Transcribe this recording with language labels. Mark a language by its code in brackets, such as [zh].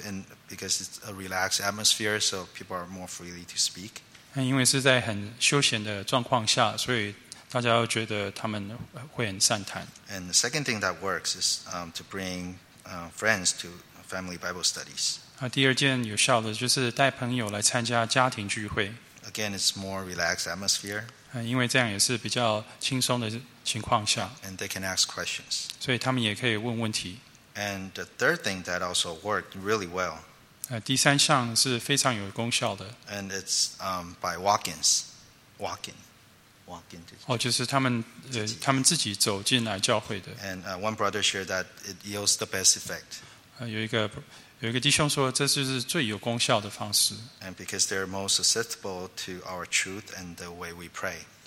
[en] And because it's a relaxed atmosphere, so people are more freely to speak. [zh] 因为是在很休闲的状况下, [en] and the second thing that works is to bring friends to family Bible studies. [zh] 第二件有效的就是带朋友来参加家庭聚会. [en] Again, it's more relaxed atmosphere. [zh] 因为这样也是比较轻松的情况下. [en] And they can ask questions. [zh] 所以他们也可以问问题. [en] And the third thing that also worked really well. [zh] 第三项是非常有功效的. [en] And it's by walk-ins. Walk-in. [zh] 就是他们自己走进来教会的. [en] And one brother shared that it yields the best effect. [zh] 有一个弟兄说，这就是最有功效的方式。 [en] And because they're most susceptible to our truth and the way we pray.